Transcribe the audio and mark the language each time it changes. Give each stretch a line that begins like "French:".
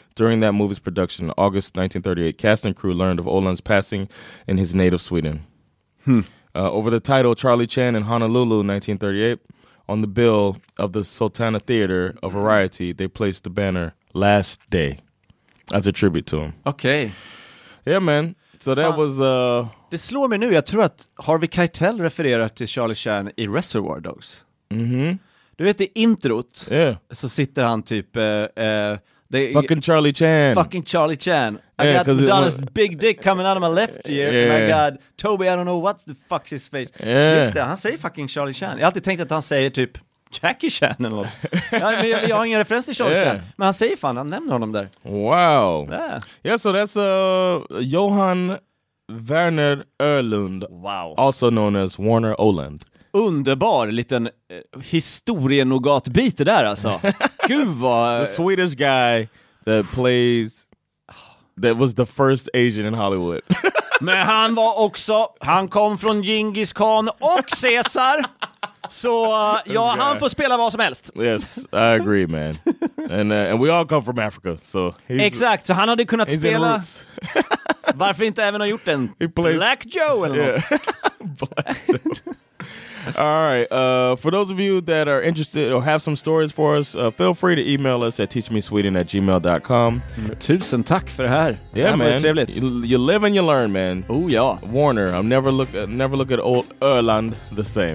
English: During that movie's production in August 1938, cast and crew learned of Ölund's passing in his native Sweden. Over the title Charlie Chan in Honolulu 1938, on the bill of the Sultana Theater of Variety, they placed the banner Last Day as a tribute to him. Okay. Yeah, man. So that was...
Swedish: Det slår mig nu, jag tror att Harvey Keitel refererar till Charlie Chan i Reservoir Dogs. Mm-hmm. Du vet, i introt så sitter han typ...
English: Fucking Charlie Chan. I got Madonna's big dick coming out of my left ear. Yeah. My God, Toby, I don't know what the fuck's his face. Yeah.
Swedish: Just det, han säger
English: fucking Charlie Chan.
Swedish: Jag har alltid tänkt att han säger typ Jackie Chan eller något. jag har ingen referens till Charlie Chan. Men han säger fan, han nämner honom där.
English: Wow. Yeah, so that's Johan... Verner Ölund. Wow. Also known as Warner Ölund.
Swedish: Underbar liten historienogat bit där alltså. Gud vad...
English: The Swedish guy that plays that was the first Asian in Hollywood.
Swedish: Men han var också, han kom från Genghis Khan och Caesar. Så ja, han får spela vad som helst.
English: Yes, I agree, man. And we all come from Africa, so
Swedish: he's, exakt, så han hade kunnat spela. Varför inte även ha gjort en Black Joe eller något?
English: Black Joe. All right. For those of you that are interested or have some stories for us, feel free to email us at teachmesweden@gmail.com.
Swedish: Tusen tack för det här.
English: Yeah,
Swedish: det här,
English: man.
Swedish: Trevligt.
English: You live and you learn, man.
Swedish: Oh ja.
English: Warner, I'm never look at old Ölund the same.